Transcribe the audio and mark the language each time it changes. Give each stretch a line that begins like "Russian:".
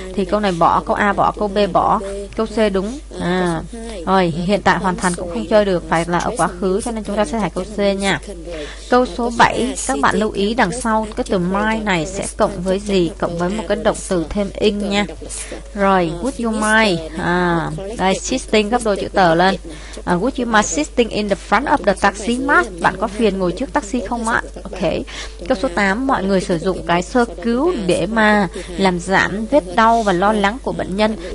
Vietnamese: Thì câu này bỏ, câu A bỏ, câu B bỏ, câu C đúng. Rồi, hiện tại hoàn thành cũng không chơi được, phải là ở quá khứ cho nên chúng ta sẽ thay câu C nha. Câu số 7, các bạn lưu ý đằng sau cái từ mind này sẽ cộng với gì? Cộng với một cái động từ thêm in nha. Rồi,
English: would you mind?
Vietnamese: Đây, sitting gấp đôi chữ tờ lên.
English: Would you mind sitting in the front of the taxi, Matt?
Vietnamese: Bạn có phiền ngồi trước taxi không ạ? Ok. Câu số 8, mọi người sử dụng cái sơ cứu để mà làm giảm vết đau và lo lắng của bệnh nhân.